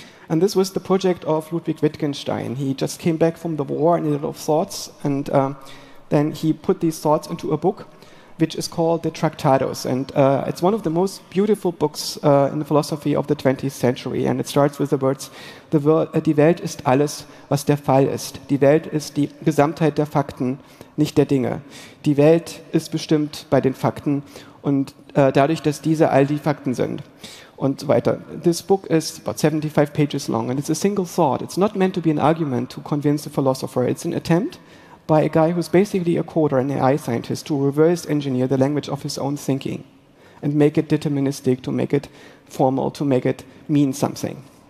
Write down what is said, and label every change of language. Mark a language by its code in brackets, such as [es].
[en] And this was the project of Ludwig Wittgenstein. He just came back from the war and he had a lot of thoughts, and then he put these thoughts into a book, which is called The Tractatus. And it's one of the most beautiful books in the philosophy of the 20th century. And it starts with the words, [de] die Welt ist alles, was der Fall ist. Die Welt ist die Gesamtheit der Fakten, nicht der Dinge. Die Welt ist bestimmt bei den Fakten und dadurch, dass diese all die Fakten sind. Und so weiter. [en] This book is about 75 pages long, and it's a single thought. It's not meant to be an argument to convince a philosopher. It's an attempt by a guy who's basically a coder, an AI scientist, to reverse engineer the language of his own thinking and make it deterministic, to make it formal, to make it mean something.